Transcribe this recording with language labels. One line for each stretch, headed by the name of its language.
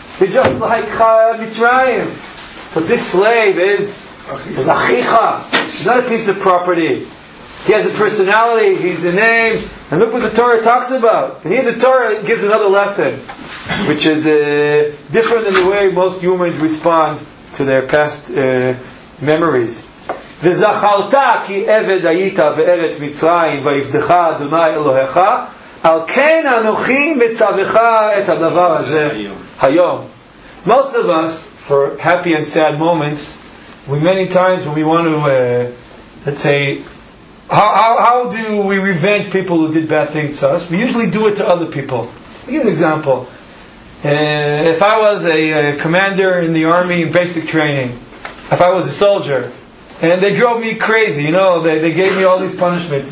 English: You're just like Mitzrayim. But this slave is achicha. He's not a piece of property. He has a personality. He's a name. And look what the Torah talks about. And here the Torah gives another lesson, which is different than the way most humans respond to their past memories.
Hebrew: וזכרתה כי עבד היית בארץ מצרים ועבדך אדוני אלוהיך על כן אנוכי מצווך את הדבר הזה היום.
English: Most of us, for happy and sad moments, we many times when we want to let's say how do we revenge people who did bad things to us, we usually do it to other people. I'll give an example. If I was a commander in the army in basic training, if I was a soldier and they drove me crazy, you know, they gave me all these punishments.